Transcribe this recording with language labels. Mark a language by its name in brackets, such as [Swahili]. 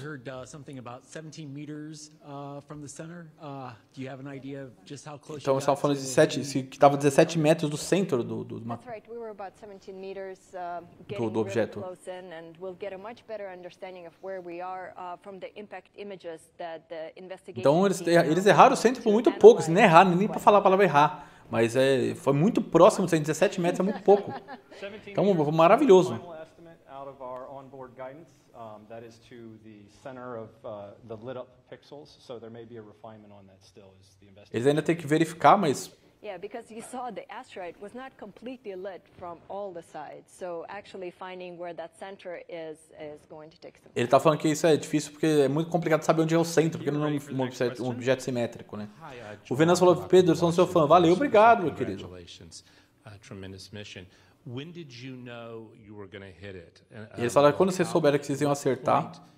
[English] I heard something about 17 meters from the center. Do you have an idea of just how close? [Portuguese] Então estava falando de 7, que estava 17 metros do centro do [English] about 17 meters getting really objeto close in, and we'll get a much better understanding of where we are from the impact images that the investigation. [Portuguese] Então eles erraram o centro por muito pouco, se não errar nem para falar a palavra errar, mas foi muito próximo, 17 metros é muito pouco. Então maravilhoso. [English] Out of our onboard guidance, that is to the center of the lit up pixels, so there may be a refinement on that still is the investigation. [Portuguese] Eles ainda tem que verificar, mas [English] yeah, because you saw the asteroid was not completely lit from all the sides. So actually finding where that center is going to take some time. [Portuguese] Ele tá falando que isso é difícil porque é muito complicado saber onde é o centro, porque não é um objeto simétrico, né? O Venâncio falou, Pedro, sou seu fã. Valeu, obrigado, meu querido. [English] Tremendous mission. When did you know you were going to hit it? [Portuguese] E ele falou, quando vocês souberam que vocês iam acertar?